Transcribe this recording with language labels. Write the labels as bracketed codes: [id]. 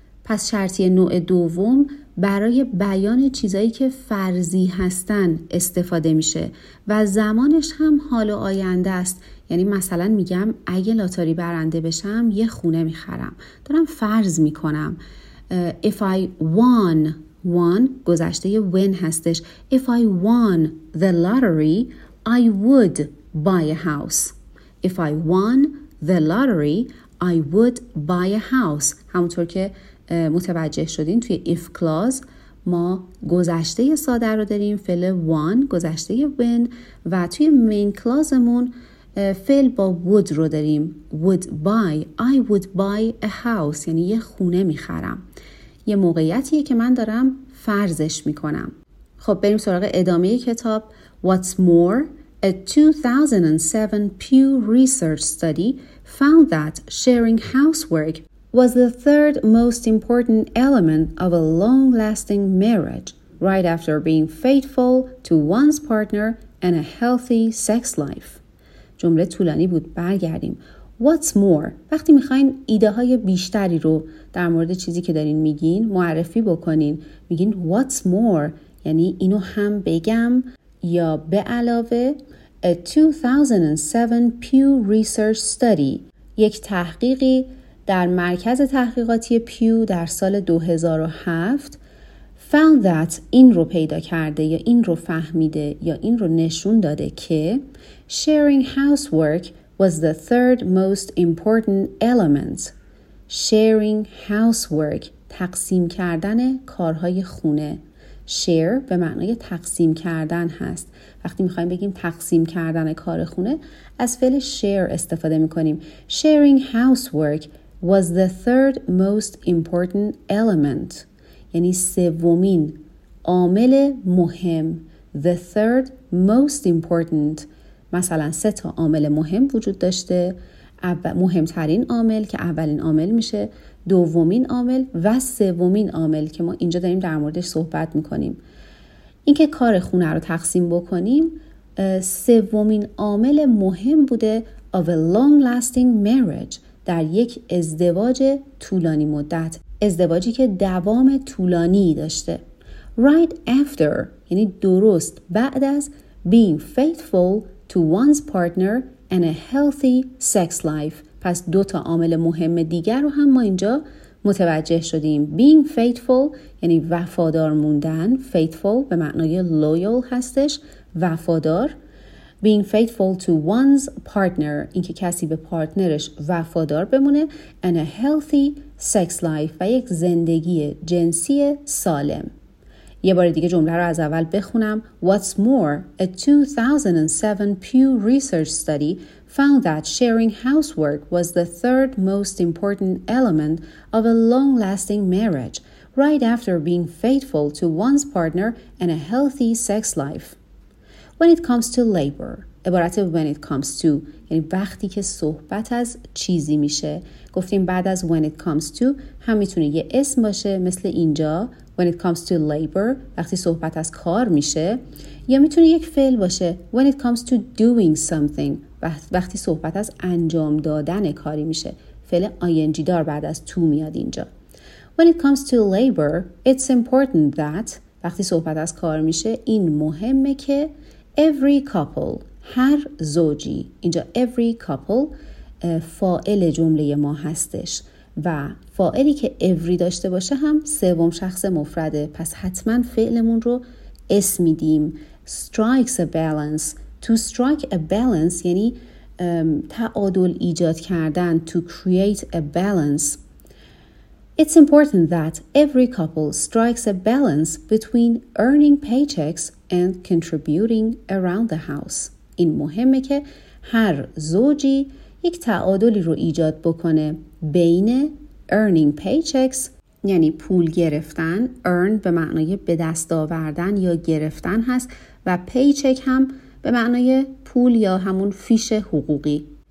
[fa] پس شرطی نوع دوم برای بیان چیزایی که فرضی هستن استفاده میشه و زمانش هم حال و آینده است. یعنی مثلا میگم اگه لاتاری برنده بشم یه خونه میخرم، دارم فرض میکنم. [en] If I won, won [fa] گذشته یه [en] win [fa] هستش. [en] If I won the lottery, I would buy a house. If I won the lottery, I would buy a house. [fa] همونطور که متوجه شدین توی if clause ما گذشته ساده رو داریم، فعل won گذشته win، و توی main clause مون فعل با would رو داریم، would buy. [en] I would buy a house، [fa] یعنی یه خونه میخرم. یه موقعیتیه که من دارم فرضش میکنم. خب بریم سراغ ادامه کتاب. [en] What's more, a 2007 Pew Research study found that sharing housework was the third most important element of a long-lasting marriage, right after being faithful to one's partner and a healthy sex life. [fa] جمله طولانی بود، برگردیم. [en] What's more، [fa] وقتی میخواین ایده های بیشتری رو در مورد چیزی که دارین میگین معرفی بکنین، میگین what's more، یعنی اینو هم بگم یا به علاوه. [en] A 2007 Pew Research Study، [fa] یک تحقیقی در مرکز تحقیقاتی پیو در سال 2007 [en] found that، [fa] این رو پیدا کرده یا این رو فهمیده یا این رو نشون داده که [en] sharing housework was the third most important element. Sharing housework، [fa] تقسیم کردن کارهای خونه. Share به معنای تقسیم کردن هست. وقتی میخواییم بگیم تقسیم کردن کار خونه، از فعل share استفاده میکنیم. [en] Sharing housework was the third most important element، [fa] یعنی سومین عامل مهم. [en] The third most important، [fa] مثلا سه تا عامل مهم وجود داشته. مهمترین عامل که اولین عامل میشه، دومین عامل و سومین عامل که ما اینجا داریم در موردش صحبت میکنیم. اینکه کار خونه رو تقسیم بکنیم، سومین عامل مهم بوده [en] of a long lasting marriage، [fa] در یک ازدواج طولانی مدت، ازدواجی که دوام طولانی داشته. [en] Right after، [fa] یعنی درست بعد از [en] being faithful to one's partner and a healthy sex life. [fa] پس دو تا عامل مهم دیگر رو هم ما اینجا متوجه شدیم. [en] Being faithful [fa] یعنی وفادار موندن. Faithful به معنای loyal هستش، وفادار. [en] Being faithful to one's partner، [fa] اینکه کسی به پارتنرش وفادار بمونه. [en] And a healthy sex life، [fa] و یک زندگی جنسی سالم. یه بار دیگه جمله رو از اول بخونم. [en] What's more, a 2007 Pew Research study found that sharing housework was the third most important element of a long-lasting marriage, right after being faithful to one's partner and a healthy sex life. When it comes to labor، عبارت when it comes to، [fa] یعنی وقتی که صحبت از چیزی میشه. گفتیم بعد از when it comes to هم میتونه یه اسم باشه، مثل اینجا [en] when it comes to labor، [fa] وقتی صحبت از کار میشه، یا میتونه یک فعل باشه [en] when it comes to doing something، [fa] وقتی صحبت از انجام دادن کاری میشه، فعل ing دار بعد از to میاد اینجا. [en] When it comes to labor it's important that، [fa] وقتی صحبت از کار میشه، این مهمه که [en] every couple، [fa] هر زوجی، اینجا every couple فاعل جمله ما هستش و فاعلی که every داشته باشه هم سوم شخص مفرده، پس حتما فعلمون رو اسم میدیم. [en] Strikes a balance، to strike a balance [fa] یعنی تعادل ایجاد کردن، [en] to create a balance. It's important that every couple strikes a balance between earning paychecks and contributing around the house. [fa] این مهمه که هر زوجی یک تعادلی رو ایجاد بکنه بین [en] earning paychecks، [fa] یعنی پول گرفتن، earn به معنای به دست آوردن یا گرفتن هست، و paycheck هم به معنای پول یا همون فیش حقوقی.